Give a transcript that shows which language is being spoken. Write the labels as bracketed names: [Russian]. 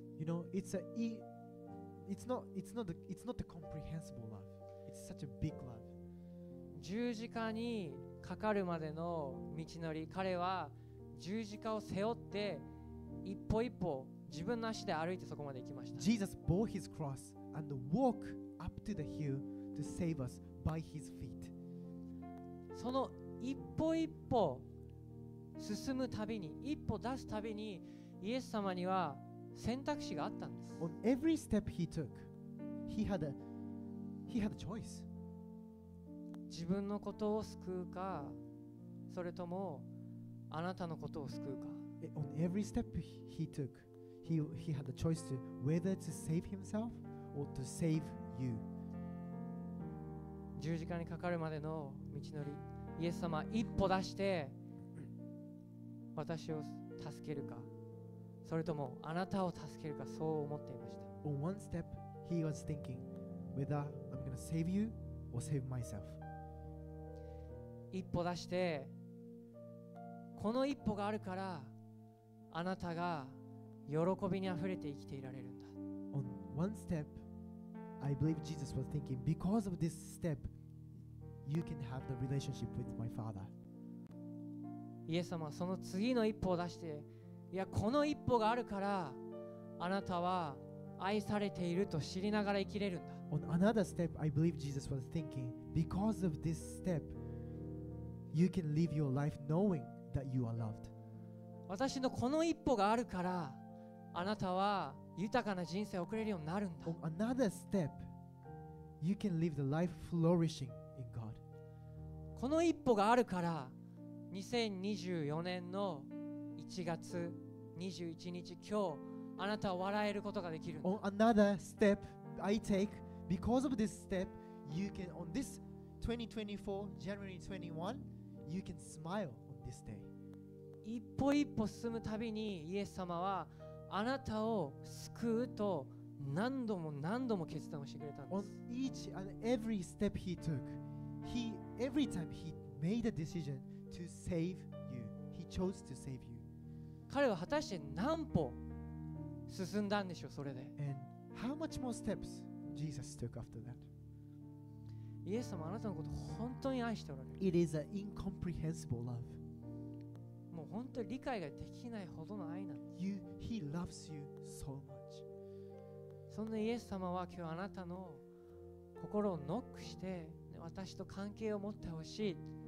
[English] You know, it's not the comprehensible love. It's such a big love. [Japanese] 十字架にかかるまでの道のり、彼は十字架を背負って一歩一歩自分の足で歩いてそこまで行きました。 [English] Jesus bore his cross and walked up to the hill to save us by his feet. [Japanese] その一歩一歩進むたびに、一歩出すたびに、イエス様には選択肢があったんです。 [English] On every step he took, he had a choice. [Japanese] 自分のことを救うか、それともあなたのことを救うか。 [English] On every step he took, he had a choice to whether to save himself or to save you. [Japanese] 十字架にかかるまでの道のり、イエス様一歩出して私を助けるか、それともあなたを助けるか、そう思っていました。 [English] On one step, he was thinking whether I'm gonna save you or save myself. [Japanese] 一歩出して、この一歩があるから、あなたが喜びにあふれて生きていられるんだ。 [English] On one step, I believe Jesus was thinking, because of this step, you can have the relationship with my Father. [Japanese] イエス様はその次の一歩を出して、いや、この一歩があるからあなたは愛されていると知りながら生きれるんだ。 [English] On another step, I believe Jesus was thinking, because of this step, you can live your life knowing that you are loved. [Japanese] 私のこの一歩があるからあなたは豊かな人生を送れるようになるんだ。 [English] On another step, you can live the life flourishing in God. [Japanese] この一歩があるから2024年の1月21日、今日、あなたは笑えることができるんだ。 [English] On another step I take, because of this step, you can, on this 2024, January 21, you can smile on this day. [Japanese] 一歩一歩進むたびに、イエス様は、あなたを救うと何度も何度も決断をしてくれたんです。 [English] On each and every step he took, he, every time he made a decision,To save you. He chose to save you. [Japanese] 彼は果たして何歩進んだんでしょう、それで。 [English] And how much more steps Jesus took after that? [Japanese] イエス様、あなたのこと本当に愛しておられる。 [English] It is an incomprehensible love. [Japanese] もう本当に理解ができないほどの愛なんです。 [English] He loves you so much. [Japanese] そんなイエス様は今日あなたの心をノックして、私と関係を持ってほしい。